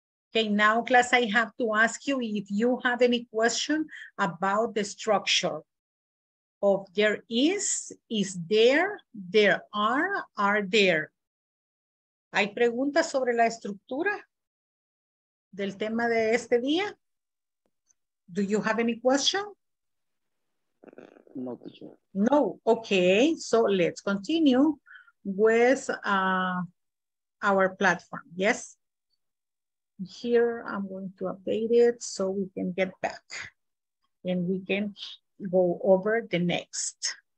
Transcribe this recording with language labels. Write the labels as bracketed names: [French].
[English] okay, now class, I have to ask you if you have any question about the structure of there is, there are. [Spanish] ¿Hay preguntas sobre la estructura del tema de este día? [English] Do you have any question? No, teacher. No, okay, so let's continue with our platform, yes? Here, I'm going to update it so we can get back and we can go over the next.